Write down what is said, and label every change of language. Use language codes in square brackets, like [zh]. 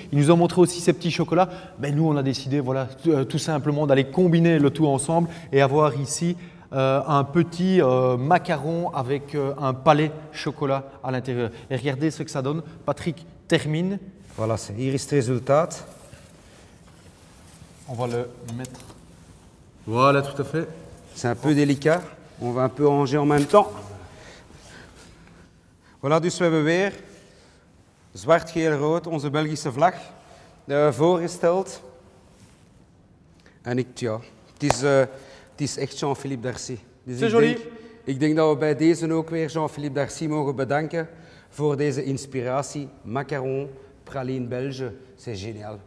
[fr] Il nous a montré aussi ces petits chocolats. Mais nous, on a décidé tout simplement d'aller combiner le tout ensemble et avoir ici un petit macaron avec un palais chocolat à l'intérieur. Et regardez ce que ça donne. Patrick, termine. Voilà, c'est Iris résultat. On va le mettre. Voilà, tout à fait. C'est un peu délicat, on va un peu ranger en même temps. [nl] Voilà, dus we hebben weer zwart, geel, rood, onze Belgische vlag voorgesteld. En het is echt Jean-Philippe Darcy. [fr] Dus c'est joli. [nl] Ik denk dat we bij deze ook weer Jean-Philippe Darcy mogen bedanken voor deze inspiratie. [fr] Macaron, praline belge, c'est génial.